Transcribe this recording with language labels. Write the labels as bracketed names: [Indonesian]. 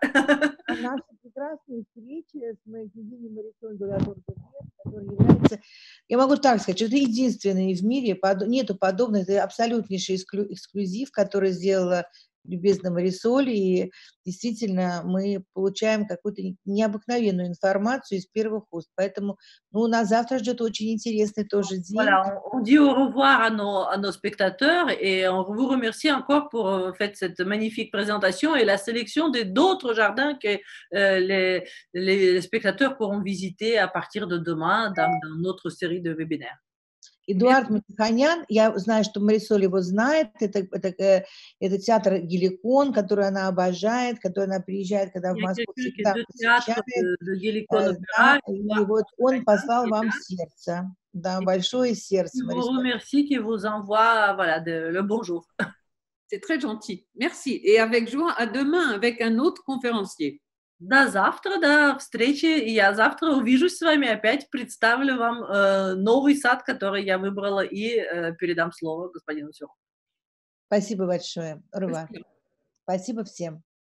[Russian] Наша прекрасная встреча с моей княгиней Марисоль де ля Тур д'Оверн, которая является, я могу так сказать, это единственный в мире, нету подобных, это абсолютнейший эксклюзив, который сделала любезная Марисоль, и действительно мы получаем какую-то необыкновенную информацию из первых уст, поэтому ну, нас завтра ждет очень интересный тоже день. [French] Voilà, on dit au revoir à nos spectateurs et on vous remercie encore pour faire cette magnifique présentation et la sélection d'autres jardins que les spectateurs pourront visiter à partir de demain dans notre série de webinaires. [Russian] Эдуард Митханян, я знаю, что Марисоль его знает, это театр Геликон, который она обожает, который она приезжает, когда в Москву всегда посещает, и вот он послал вам сердце, да, большое сердце, Марисоль. [French] Merci qui vous envoie, voilà, le bonjour. C'est très gentil, merci, et avec joie, à demain, avec un autre conférencier. [Russian] До завтра, до встречи. Я завтра увижусь с вами опять, представлю вам новый сад, который я выбрала, и передам слово господину Сюрху. Спасибо большое, Рува. Спасибо. Спасибо всем.